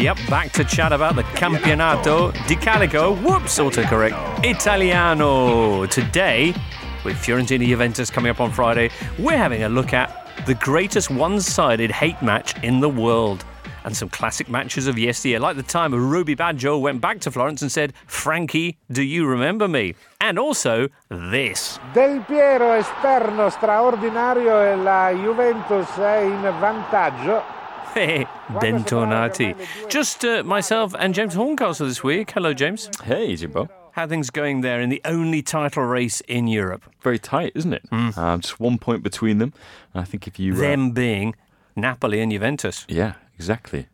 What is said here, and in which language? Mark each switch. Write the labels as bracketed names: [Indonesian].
[English] Yep, back to chat about the Campionato di Calcio. Whoops, autocorrect. Italiano. Today, with Fiorentina-Juventus coming up on Friday, we're having a look at the greatest one-sided hate match in the world and some classic matches of yesteryear, like the time Ruby Baggio went back to Florence and said, Frankie, do you remember me? And also this. [Italian] Del Piero esterno straordinario e la Juventus è in vantaggio. Bentornati. [English] Just myself and James Horncastle this week. Hello, James. Hey, Jimbo. How are things going there in the only title race in Europe? Very tight, isn't it? Mm. Just 1 point between them. And I think if you... Them being Napoli and Juventus. Yeah, exactly.